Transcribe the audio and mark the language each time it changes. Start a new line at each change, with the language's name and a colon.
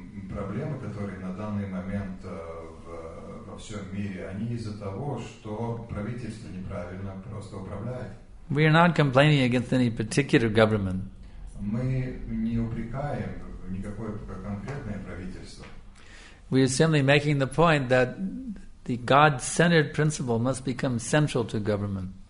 Russian: Проблемы, которые на данный момент во всем мире, они из-за того, что правительство неправильно просто управляет.
English: We are not complaining against any particular government.
Russian: Мы не упрекаем никакое конкретное правительство.
English: We are simply making the point that the God-centered principle must become central to government.